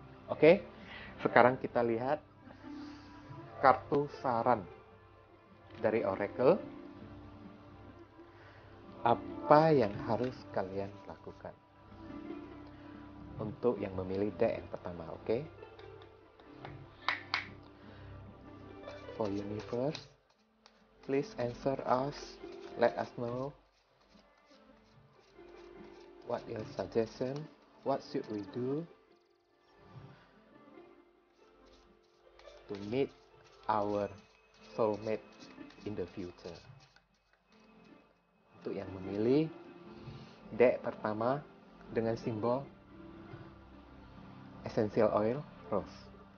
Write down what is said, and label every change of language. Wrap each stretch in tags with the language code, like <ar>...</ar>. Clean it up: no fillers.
<id>Oke, sekarang kita lihat kartu saran dari Oracle. Apa yang harus kalian lakukan untuk yang memilih deck yang pertama, oke?</id> <en>For universe, please answer us, let us know what your suggestion, what should we do to meet our soulmate in the future.</en> <id>Untuk yang memilih deck pertama dengan simbol essential oil rose.</id>